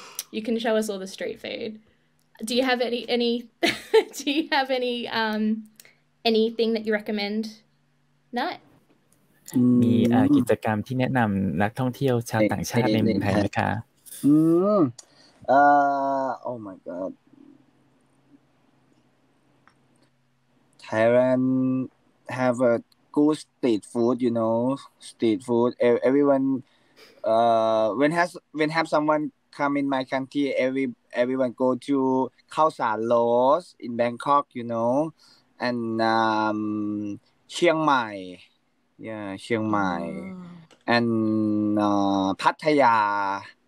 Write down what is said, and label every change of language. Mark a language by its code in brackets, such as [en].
[en] You can show us all the street food. Do you have any do you have any anything that you recommend? Nut? [th] มีกิจกรรมที่แนะนำนักท่องเที่ยวชาวต่างชาติในเมืองไทยนะคะ [en] oh my god Thailand have a good street food you know street food everyone when have someone come in my country everyone go to Khao San Los in Bangkok you know and Chiang Mai yeah Chiang Mai and Pattaya